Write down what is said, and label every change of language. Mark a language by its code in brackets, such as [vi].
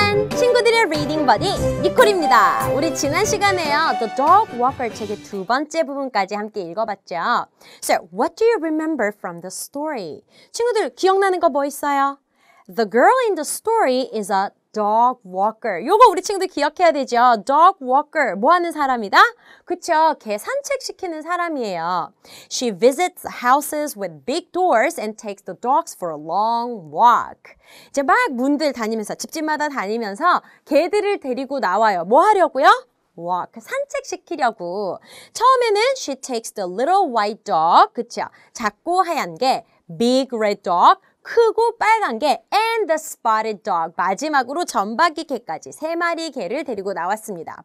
[ko] 친구들의 리딩 버디 니콜입니다. 우리 지난 시간에요. The Dog Walker 책의 두 번째 부분까지 함께 읽어봤죠. [en] So, what do you remember from the story? [ko] 친구들, 기억나는 거 뭐 있어요? [en] The girl in the story is a dog walker. [ko] 요거 우리 친구들 기억해야 되죠. Dog walker. 뭐 하는 사람이다? 그쵸. 개 산책시키는 사람이에요. [en] She visits houses with big doors and takes the dogs for a long walk. [ko] 이제 막 문들 다니면서, 집집마다 다니면서 개들을 데리고 나와요. 뭐 하려고요? Walk. 산책시키려고. 처음에는 [en] she takes the little white dog. [ko] 그쵸. 작고 하얀 개. [en] Big red dog. [ko] 크고 빨간 개 [en] and the spotted dog [ko] 마지막으로 점박이 개까지 세 마리 개를 데리고 나왔습니다.